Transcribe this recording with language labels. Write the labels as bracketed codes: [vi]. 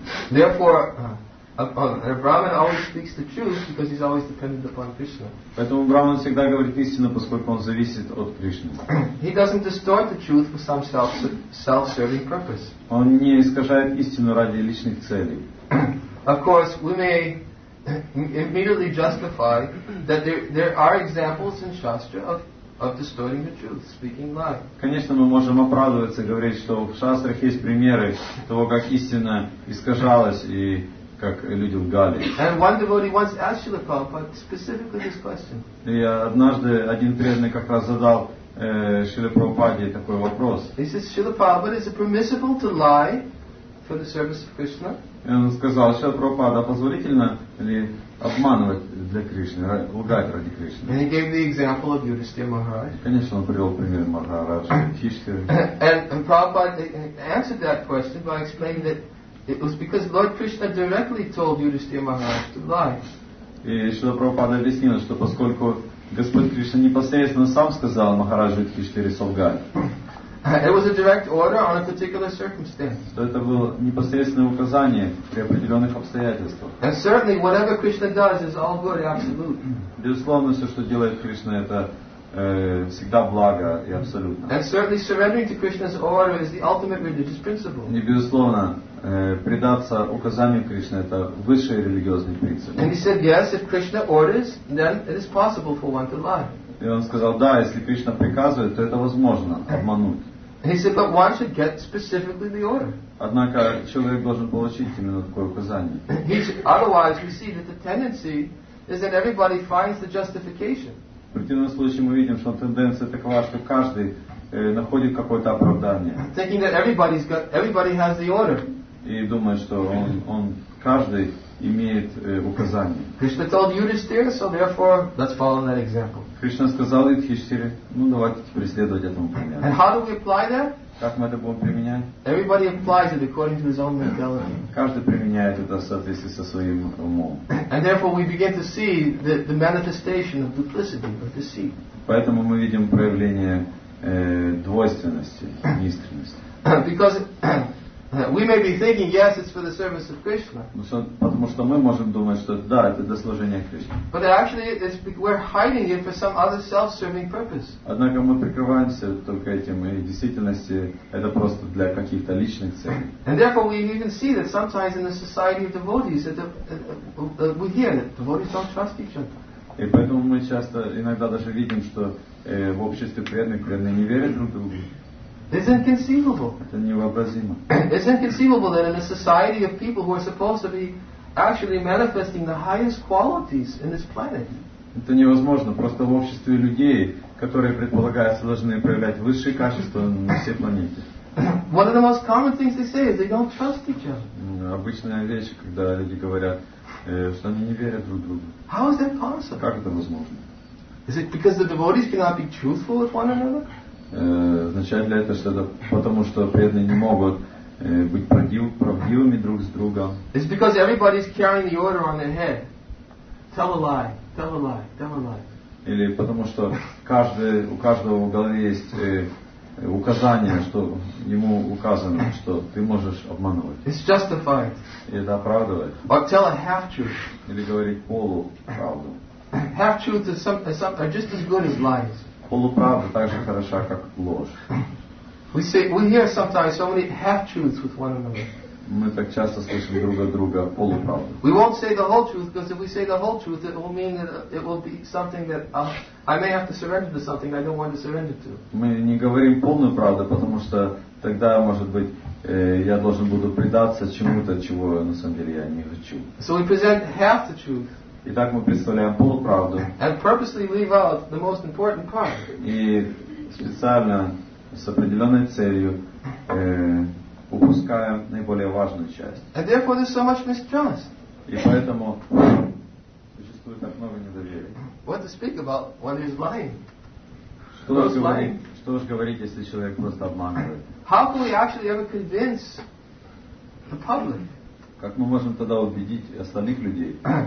[en] Therefore, a Brahman always speaks the truth because he's always dependent upon Krishna. [ru] Поэтому Брахман всегда говорит истину, поскольку он зависит от Кришны. [en] He doesn't distort the truth for some self-serving purpose. [ru] Он не искажает истину ради личных целей. [en] Of course, we may immediately justify that there are examples in Shastra of distorting the truth, speaking lie. [ru] Конечно, мы можем оправдываться и говорить, что в шастрах есть примеры того, как истина искажалась и как люди лгали. [en] And one devotee once asked Srila Prabhupada specifically this question. [ru] И однажды один преданный как раз задал Шриле Прабхупаде такой вопрос. [en] He says, Srila Prabhupada, is it permissible to lie for the service of Krishna. [ru] И он сказал, что Прабхупада позволительно ли обманывать для Кришны, лгать ради Кришны. [en] And he gave the example of Yudhishthira Maharaj. [ru] Конечно, он привел пример Махараджа Юдхиштхиры. [en] And Prabhupada answered that question by explaining that it was because Lord Krishna directly told Yudhishthira Maharaj to lie. [ru] И Шрила Прабхупада объяснил, что поскольку Господь Кришна непосредственно сам сказал Махараджу Юдхиштхире солгать. [en] It was a direct order on a particular circumstance. [ru] Что это было непосредственное указание при определенных обстоятельствах. [en] And certainly, whatever Krishna does is all good, absolute. [ru] Безусловно, все, что делает Кришна, это всегда благо и абсолютно. [en] And certainly, surrendering to Krishna's order is the ultimate religious principle. [ru] И безусловно, предаться указаниям Кришны это высший религиозный принцип. [en] And he said, yes, if Krishna orders, then it is possible for one to lie. [ru] И он сказал, да, если Кришна приказывает, то это возможно, обмануть. [en] He said, but one should get specifically the order. [ru] Однако человек должен получить именно такое указание. [en] Otherwise, we see that the tendency is that everybody finds the justification. [ru] В противном случае мы видим, что тенденция такова, что каждый находит какое-то оправдание. [en] Thinking that everybody has the order. [ru] И думает, что он каждый имеет указание. [en] Krishna told Yudhishthira, so therefore, let's follow that example. [ru] Кришна сказал Юдхиштхире, ну давайте теперь следовать этому примеру. [en] And how do we apply that? [ru] Как мы это будем применять? [en] Everybody applies it according to his own mentality. [ru] Каждый применяет это в соответствии со своим умом. [en] And therefore we begin to see the manifestation of duplicity, of deceit. [ru] Поэтому мы видим проявление двойственности, неискренности. [en] Because we may be thinking, yes, it's for the service of Krishna. [ru] Потому что мы можем думать, что да, это для служения Кришне. [en] But actually, we're hiding it for some other self-serving purpose. [ru] Однако мы прикрываемся только этим, и в действительности это просто для каких-то личных целей. [en] And therefore, we even see that sometimes in the society of devotees, we hear that devotees don't trust each other. [ru] И поэтому мы часто, иногда даже видим, что в обществе преданные не верят друг другу. [en] It's inconceivable. It's inconceivable that in a society of people who are supposed to be actually manifesting the highest qualities in this planet. [ru] Это невозможно. Просто в обществе людей, которые предполагаются должны проявлять высшие качества на всей планете. [en] One of the most common things they say is they don't trust each other. [ru] Обычная вещь, когда люди говорят, что они не верят друг другу. [en] How is that possible? [ru] Как это возможно? [en] Is it because the devotees cannot be truthful with one another? [ru] Означает ли это, что это потому, что преданные не могут быть правдивыми друг с другом? [en] It's because everybody's carrying the order on their head. Tell a lie, tell a lie, tell a lie. [ru] Или потому, что у каждого в голове есть указание, что ему указано, что ты можешь обманывать. [en] It's justified. [ru] И это оправдывает. [en] Or tell a half-truth. [ru] Или говорить полуправду. [en] Half-truths are just as good as lies. [ru] Полуправда так же хороша, как ложь. [en] We hear sometimes so many half-truths with one another. [ru] Мы так часто слышим друг от друга полуправду. [en] We won't say the whole truth, because if we say the whole truth, it will mean that it will be something that I may have to surrender to something I don't want to surrender to. [ru] Мы не говорим полную правду, потому что тогда, может быть, я должен буду предаться чему-то, чего на самом деле я не хочу. [en] So we present half the truth. [ru] Итак, мы представляем полуправду. [en] And purposely leave out the most important part. [ru] И специально с определенной целью упускаем наиболее важную часть. [en] And therefore there's so much mistrust. [ru] И поэтому существует так много недоверия. [en] What to speak about when he's lying? [ru] Что уж говорить, если человек просто обманывает? [en] How can we actually ever convince the public? [ru] Как мы можем тогда убедить остальных людей?